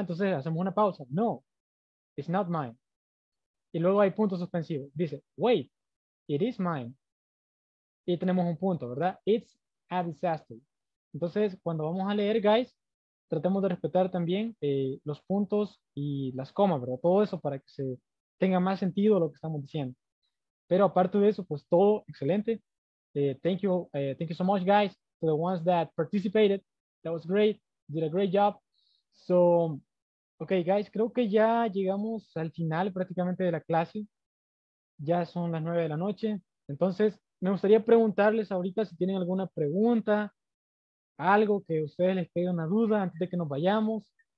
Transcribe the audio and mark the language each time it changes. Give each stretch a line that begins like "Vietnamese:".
Spanish: Entonces hacemos una pausa,
English: no, it's not mine.
Spanish: Y luego hay punto suspensivo, dice,
English: wait, it is mine.
Spanish: Y tenemos un punto, ¿verdad?
English: It's a disaster.
Spanish: Entonces, cuando vamos a leer, guys, tratemos de respetar también los puntos y las comas, ¿verdad? Todo eso para que se tenga más sentido lo que estamos diciendo. Pero aparte de eso, pues todo excelente.
English: Thank you so much, guys, to the ones that participated. That was great. Did a great job.
Spanish: So, okay, guys, creo que ya llegamos al final prácticamente de la clase. Ya son las 9 de la noche. Entonces, me gustaría preguntarles ahorita si tienen alguna pregunta. ¿Algo que a ustedes les quede una duda antes de que nos vayamos?